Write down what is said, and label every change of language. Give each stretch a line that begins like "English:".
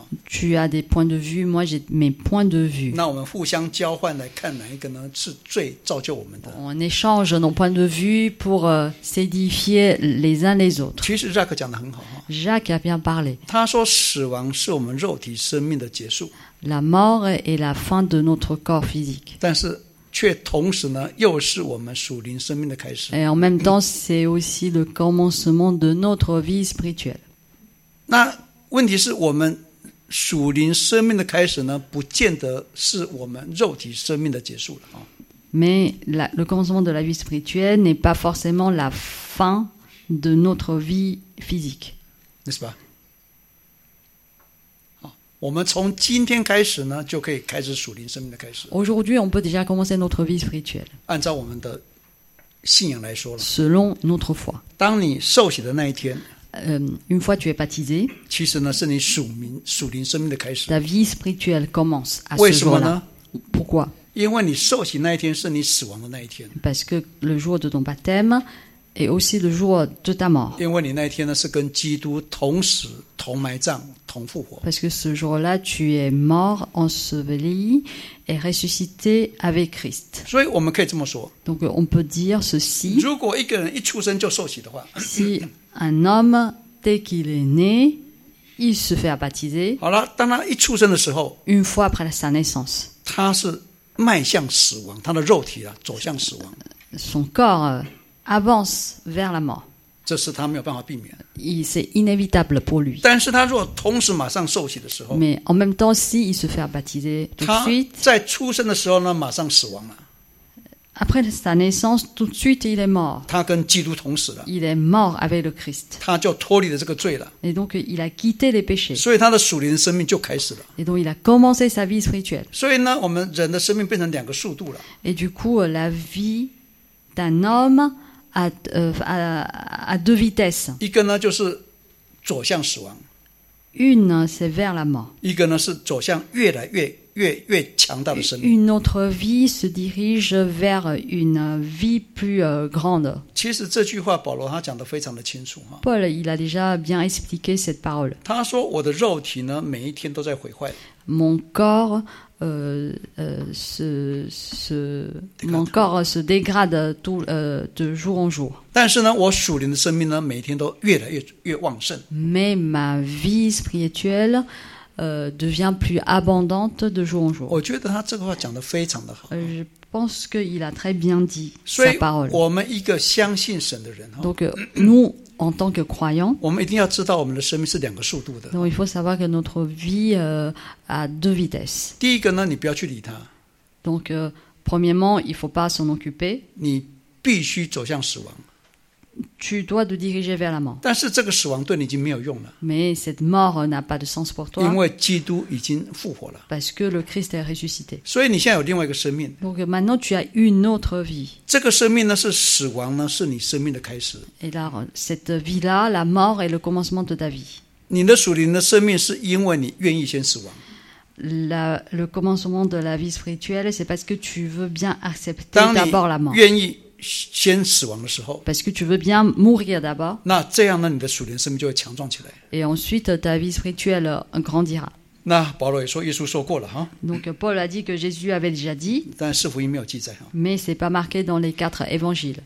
French: Tu as des points de vue, moi j'ai mes points de vue.
Chinese: 那我们互相交换来看哪一个呢？是最造就我们的。
French: On échange nos points de vue pour s'édifier les uns les autres.
Chinese: 其实 Jacques 讲得很好。
French: Jacques a bien parlé.
Chinese: 他说死亡是我们肉体生命的结束。
French: La mort est la fin de notre corps physique.
Chinese: 但是却同时呢，又是我们属灵生命的开始。
French: Et en même temps, c'est aussi le commencement de notre vie spirituelle.
Chinese: 那问题是我们属灵生命的开始呢，不见得是我们肉体生命的结束了啊。
French: Mais le commencement de la vie spirituelle n'est pas forcément la fin de notre vie physique. N'est-ce pas?
Chinese: 我们从今天开始呢，就可以开始属灵生命的开始。
French: Aujourd'hui, on peut déjà commencer notre vie spirituelle.
Chinese: 按照我们的信仰来说了。
French: Selon notre foi.
Chinese: 当你受洗的那一天。
French: Une fois tu es baptisé,
Chinese: 其实呢是你属灵生命的开始。
French: La vie spirituelle commence à ce jour-là. Pourquoi?
Chinese: 因为你受洗那一天是你死亡的那一天。
French: Parce que le jour de ton baptême est aussi le jour de ta mort.
Chinese: 因为你那一天呢是跟基督同死、同埋葬、同复活。
French: Parce que ce jour-là tu es mort, enseveli et ressuscité avec Christ.
Chinese: 所以我们可以这么说。
French: Donc on peut dire ceci.
Chinese: 如果一个人一出生就受洗的话。
French: Si un homme, dès qu'il est né, il se fait baptiser.
Chinese: 好了，当他一出生的时候，
French: une fois après sa naissance,
Chinese: 他是迈向死亡，他的肉体啊，走向死亡。
French: Son corps avance vers la mort.
Chinese: 这是他没有办法避免。
French: C'est inévitable pour lui.
Chinese: 但是他如果同时马上受洗的时候，
French: mais en même temps, s'il se fait baptiser tout de suite,
Chinese: 他在出生的时候呢，马上死亡了。
French: Après sa naissance, tout de suite, il est mort.
Chinese: 他跟基督同死了。
French: Il est mort avec le Christ.
Chinese: 他就脱离了这个罪了。
French: Et donc, il a quitté les péchés.
Chinese: 所以他的属灵的生命就开始了。
French: Et donc, il a commencé sa vie spirituelle.
Chinese: 所以呢，我们人的生命变成两个速度了。
French: Et du coup, la vie d'un homme a deux vitesses.
Chinese: 一个呢，就是走向死亡。
French: Une, c'est vers la mort.
Chinese: 一个呢，是走向越来越越强大的生命。
French: Une autre vie se dirige vers une vie plus grande.
Chinese: 其实这句话保罗他讲得非常的清楚。
French: Paul, il a déjà bien expliqué cette parole.
Chinese: 他说我的肉体呢每一天都在毁坏。
French: Mon corps, mon corps se dégrade tout, de jour en jour.
Chinese: 但是呢我属灵的生命呢每天都越旺盛。
French: Mais ma vie spirituelle,devient plus abondante de jour en jour.
Chinese: 我觉得他这个话讲得非常的好。
French: Je pense qu'il a très bien dit sa parole.
Chinese: 我们一个相信神的人。
French: Donc, nous, en tant que croyants,
Chinese: 我们一定要知道我们的生命是两个速度的。
French: Donc, il faut savoir que notre vie, a deux vitesses.
Chinese: 第一个呢，你不要去理他。
French: Donc, premièrement, il ne faut pas s'en occuper.
Chinese: 你必须走向死亡。
French: Tu dois te diriger vers la mort.
Chinese: 但是这个死亡对你已经没有用了。
French: Mais cette mort n'a pas de sens pour toi.
Chinese: 因为基督已经复活了。
French: Parce que le Christ est ressuscité.
Chinese: 所以你现在有另外一个生命。
French: Donc maintenant tu as une autre vie.
Chinese: 这个生命呢是死亡呢是你生命的开始。
French: Et alors, cette vie-là, la mort est le commencement de ta vie.
Chinese: 你的属灵的生命是因为你愿意先死亡。
French: Le commencement de la vie spirituelle, c'est parce que tu veux bien accepter d'abord la mort.
Chinese: 愿意先死亡的时候
French: parce que tu veux bien mourir d'abord
Chinese: 那这样呢你的属灵生命就会强壮起来
French: et ensuite ta vie spirituelle grandira
Chinese: 那保罗也说耶稣说过了哈
French: donc Paul a dit que Jésus avait déjà dit
Chinese: 但四福音没有记载
French: mais c'est pas marqué dans les quatre évangiles